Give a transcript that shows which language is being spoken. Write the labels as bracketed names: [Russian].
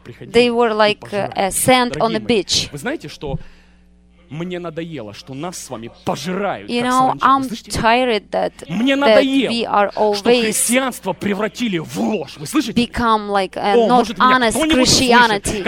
[English] They were like a sand on a beach. [Russian] Мне надоело, что нас с вами пожирают. [English] You know, I'm tired that we are always [Russian] что христианство превратили в ложь. Вы слышите? [English] Become like a not honest Christianity.